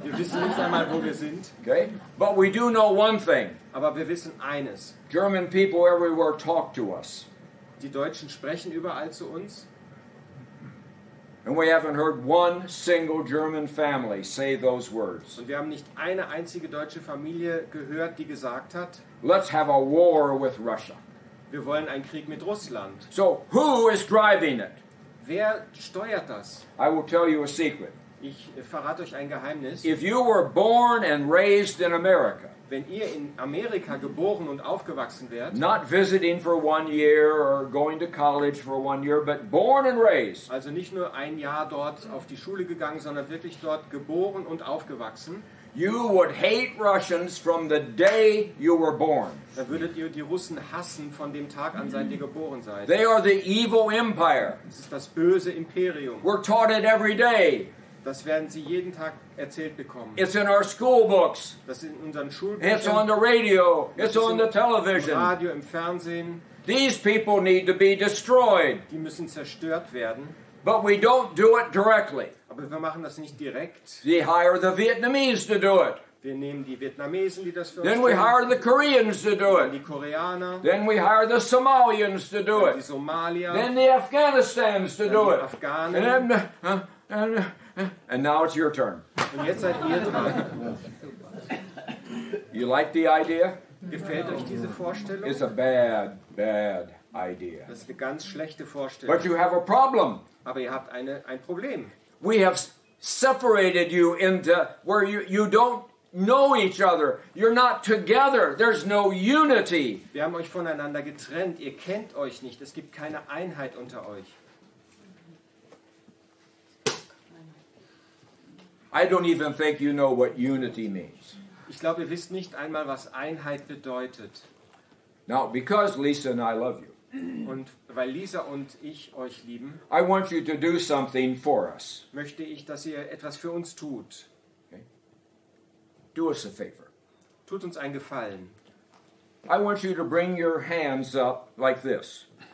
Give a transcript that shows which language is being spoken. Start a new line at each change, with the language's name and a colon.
German: Wir wissen nicht einmal, wo wir sind.
English: Okay? But we do know one thing.
German: Aber wir wissen eines.
English: German people everywhere talk to us.
German: Die Deutschen sprechen überall zu uns.
English: And we haven't heard one single German family say those words.
German: Und wir haben nicht eine einzige deutsche Familie gehört, die gesagt hat,
English: let's have a war with Russia.
German: Wir wollen einen Krieg mit Russland.
English: So who is driving it?
German: Wer steuert das?
English: I will tell you a secret.
German: Ich verrate euch ein Geheimnis.
English: If you were born and raised in America,
German: wenn ihr in Amerika geboren und aufgewachsen wärt,
English: not visiting for one year or going to college for one year, but born and raised,
German: also nicht nur ein Jahr dort auf die Schule gegangen, sondern wirklich dort geboren und aufgewachsen,
English: you would hate Russians from the day you were born.
German: Dann würdet ihr die Russen hassen von dem Tag an, seit ihr geboren seid.
English: They are the evil empire.
German: Das ist das böse Imperium.
English: We're taught it every day.
German: Das werden sie jeden Tag erzählt bekommen.
English: It's in our school books.
German: Das ist in unseren Schulbüchern.
English: It's on the radio. It's on the television.
German: Im Radio, im Fernsehen.
English: These people need to be destroyed.
German: Die müssen zerstört werden.
English: But we don't do it directly.
German: Aber wir machen das nicht direkt.
English: We hire the Vietnamese to do it.
German: Wir nehmen die Vietnamesen, die das für uns
English: Then we hire the Koreans to do it.
German: Die Koreaner.
English: Then we hire the Somalians to do it.
German: Die Somalier.
English: Then the Afghanistans to do it.
German: Afghanen.
English: And then, and now it's your turn.
German: Und jetzt seid ihr dran.
English: You like the idea?
German: Gefällt euch diese Vorstellung?
English: It's a bad, bad idea.
German: Das ist eine ganz schlechte Vorstellung.
English: But you have a problem.
German: Aber ihr habt ein Problem.
English: We have separated you into where you don't know each other. You're not together. There's no unity.
German: Wir haben euch voneinander getrennt. Ihr kennt euch nicht. Es gibt keine Einheit unter euch.
English: I don't even think you know what unity means.
German: Ich glaube, ihr wisst nicht einmal, was Einheit bedeutet.
English: Now, because Lisa and I love you.
German: Und weil Lisa und ich euch lieben.
English: I want you to do something for us.
German: Möchte ich, dass ihr etwas für uns tut.
English: Okay. Do us a favor.
German: Tut uns einen Gefallen.
English: I want you to bring your hands up like this.